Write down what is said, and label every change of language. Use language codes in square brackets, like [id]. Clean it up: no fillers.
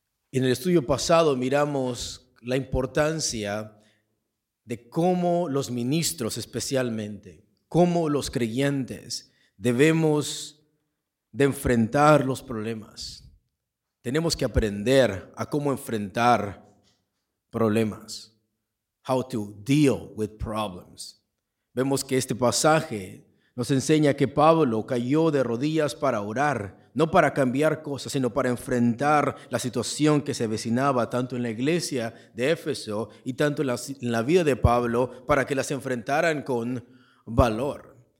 [es] En el estudio pasado miramos la importancia de cómo los ministros especialmente, cómo los creyentes debemos de enfrentar los problemas. Tenemos que aprender a cómo enfrentar problemas. [en] How to deal with problems. [es] Vemos que este pasaje nos enseña que Pablo cayó de rodillas para orar, no para cambiar cosas, sino para enfrentar la situación que se avecinaba tanto en la iglesia de Éfeso y tanto en la vida de Pablo, para que las enfrentaran con valor.